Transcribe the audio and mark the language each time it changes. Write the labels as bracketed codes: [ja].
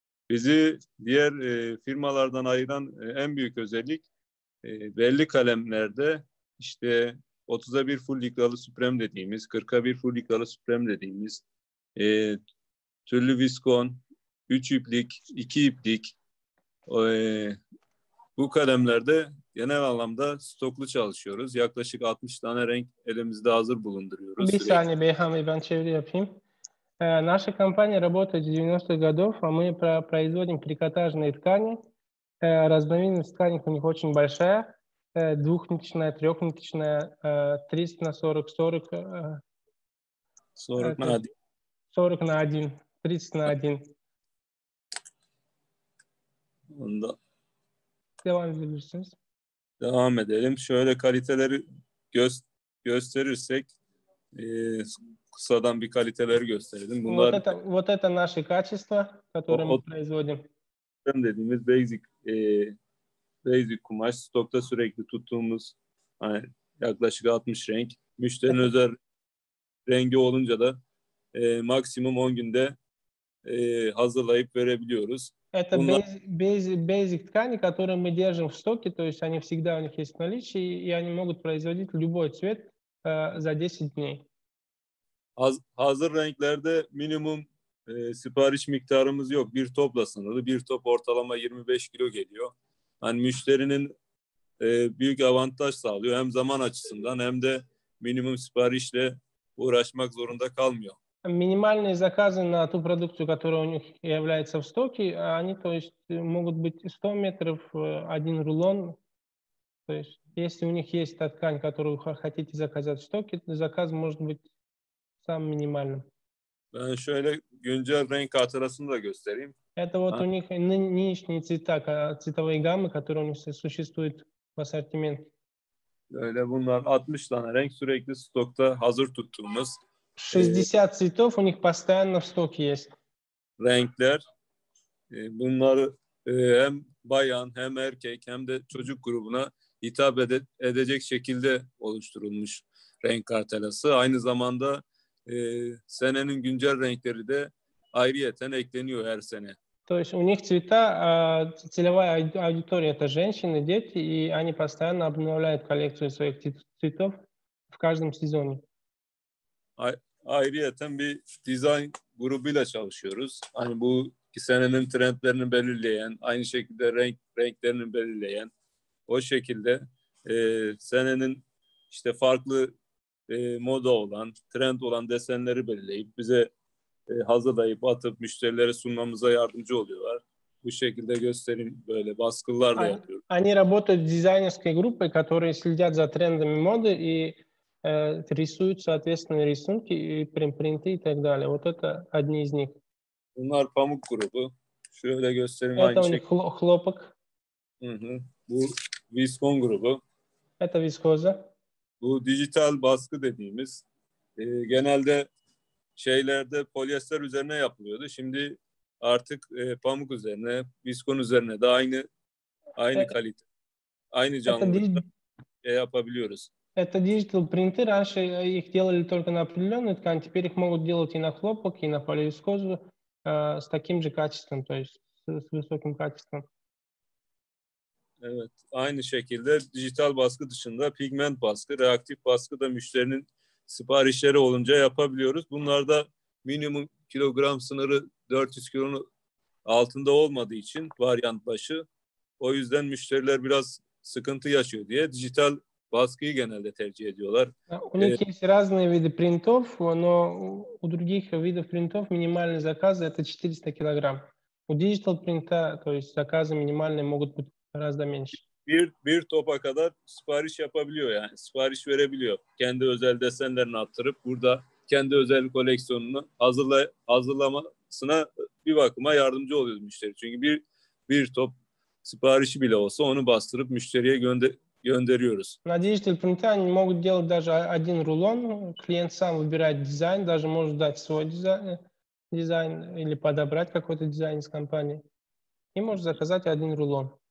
[tr] Bizi diğer firmalardan ayıran en büyük özellik belli kalemlerde işte 30'a 1 full ligralı Supreme dediğimiz, 40'a 1 full ligralı Supreme dediğimiz türlü viskon, 3 iplik, 2 iplik bu kalemlerde genel anlamda stoklu çalışıyoruz. Yaklaşık 60 tane renk elimizde hazır bulunduruyoruz. Bir saniye Beyhan Bey, ben çeviri yapayım. [ru] Наша компания работает с 90-х годов, а мы производим трикотажные ткани. Разновидность ткани у них очень большая. Двухниточная, трехниточная, 30 на 40, 40... 40 на 1. 40 на 1, 30 на 1. Да. [tr] Devam edebilirsiniz. Devam edelim. Şöyle kaliteleri gösterirsek... Kısadan bir kaliteleri gösterelim. Bunlar [ru] вот это наши качества, которые мы производим. [tr] Bizim dediğimiz basic kumaş, stokta sürekli tuttuğumuz hani yaklaşık 60 renk. Müşterinin özel rengi olunca da maksimum 10 günde hazırlayıp verebiliyoruz. [ru] Это basic ткани, которые мы держим в стоке, то есть они всегда у них есть в наличии, и они могут производить любой цвет за 10 дней. [tr] Hazır renklerde minimum sipariş miktarımız yok. Bir topla sınırlı. Bir top ortalama 25 kilo geliyor. Hani müşterinin büyük avantaj sağlıyor. Hem zaman açısından hem de minimum siparişle uğraşmak zorunda kalmıyor. [ru] Минимальные заказы на ту продукцию, которая у них является в стоке, они то есть могут быть 100 метров один рулон. То есть если у них есть та ткань, которую хотите заказать в стоке, заказ может быть самым минимальным. [tr] Ben şöyle güncel renk hatırasını da göstereyim. [ru] Это вот у них нынешние цвета, цветовые гаммы, которые у них существуют в ассортименте. [tr] Böyle bunlar 60 tane renk sürekli stokta hazır tuttuğumuz. [ru] 60 цветов у них постоянно в стоке есть. [tr] Renkler. Bunları hem bayan hem erkek hem de çocuk grubuna hitap edecek şekilde oluşturulmuş renk hatırası. Aynı zamanda senenin güncel renkleri de ayrıyeten ekleniyor her sene. [ru] То есть у них цвета целевая аудитория это женщины, дети и они постоянно обновляют коллекцию своих цветов в каждом сезоне. [tr] Ayrıyeten bir dizayn grubuyla çalışıyoruz. Hani bu senenin trendlerini belirleyen, aynı şekilde renklerini belirleyen o şekilde senenin işte farklı moda olan, trend olan desenleri belirleyip bize hazırlayıp atıp müşterilere sunmamıza yardımcı oluyorlar. Bu şekilde göstereyim böyle baskılar da yapıyorlar. [ru] Они работают с дизайнерской группой, которые следят за трендами моды и рисуют соответственно рисунки и принты и так далее. Вот это одни из них. [tr] Bunlar pamuk grubu. Şöyle göstereyim. [ru] Это у них хлопок. [tr] Bu viskon grubu. [ru] Это viskoza. [tr] Bu dijital baskı dediğimiz. Genelde şeylerde polyester üzerine yapılıyordu. Şimdi artık pamuk üzerine, viskon üzerine de aynı kalite, aynı canlılıkta yapabiliyoruz. [ru] Это digital printer. Раньше их делали только на определенную ткань. Теперь их могут делать и на хлопок, и на полиэскозу с таким же качеством, то есть с высоким качеством. [tr] Evet, aynı şekilde dijital baskı dışında pigment baskı, reaktif baskı da müşterinin siparişleri olunca yapabiliyoruz. Bunlarda minimum kilogram sınırı 400 kilonun altında olmadığı için varyant başı. O yüzden müşteriler biraz sıkıntı yaşıyor diye dijital baskıyı genelde tercih ediyorlar. [ru] У них есть разные виды принтов, но у других видов принтов минимальный заказ это 400 килограмм. У digital printа, то есть заказы минимальные могут быть гораздо меньше. [tr] Bir topa kadar sipariş yapabiliyor yani, sipariş verebiliyor. Kendi özel desenlerini attırıp burada kendi özel koleksiyonunu hazırlamasına bir bakıma yardımcı oluyor müşteri. Çünkü bir top siparişi bile olsa onu bastırıp müşteriye gönderiyoruz. [ru] На digital printе они могут делать даже один рулон. Клиент сам выбирает дизайн, даже может дать свой дизайн или подобрать какой-то дизайн из компании. И может заказать один рулон.